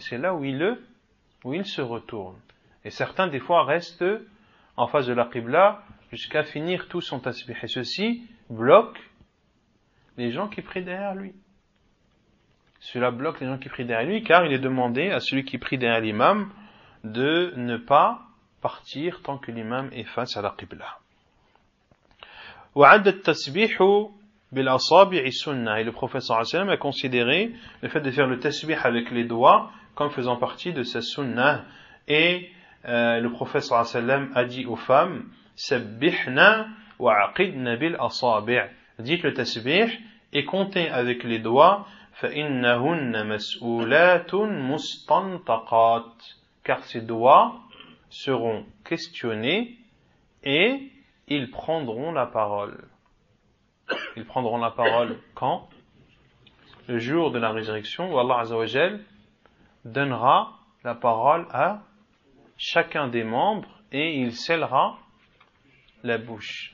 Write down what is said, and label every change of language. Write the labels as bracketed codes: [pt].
[fr] Et c'est là où il se retourne. Et certains, des fois, restent en face de la qibla jusqu'à finir tout son tasbih. Et ceci bloque les gens qui prient derrière lui. Cela bloque les gens qui prient derrière lui, car il est demandé à celui qui prie derrière l'imam de ne pas partir tant que l'imam est face à la qibla. [ar] وعد التسبيح بالأصابع سنة. [fr] Et le prophète [ar] صلى الله عليه وسلم [fr] a considéré le fait de faire le tasbih avec les doigts comme faisant partie de sa sunna. Et le prophète [ar] صلى الله عليه وسلم [fr] a dit aux femmes [ar] سبحنا وعقدنا بالأصابع. [fr] Dites le tasbih et comptez avec les doigts. [ar] فإنهن مسؤولات مستنطقات. [fr] Car ses doigts seront questionnés et ils prendront la parole. Ils prendront la parole quand ? Le jour de la résurrection où Allah Azza wa Jal donnera la parole à chacun des membres et il scellera la bouche.